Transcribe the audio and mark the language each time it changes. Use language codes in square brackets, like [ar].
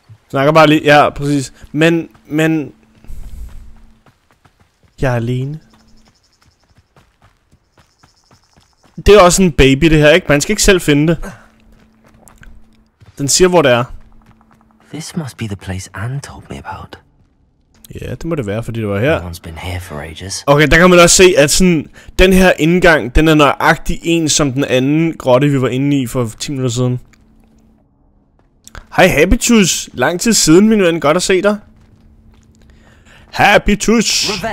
[da] Snakker bare lige, ja, præcis. Men... Jeg er alene. Det er også en baby det her, ikke? Man skal ikke selv finde det. Den siger hvor det er. [en] This must be the place Anne told me about. [da] Ja, det må det være, fordi det var her. Okay, der kan man også se, at sådan, den her indgang, den er nøjagtig en som den anden grotte, vi var inde i for 10 minutter siden. Hej Habitus, lang tid siden, min ven, godt at se dig. Habitus!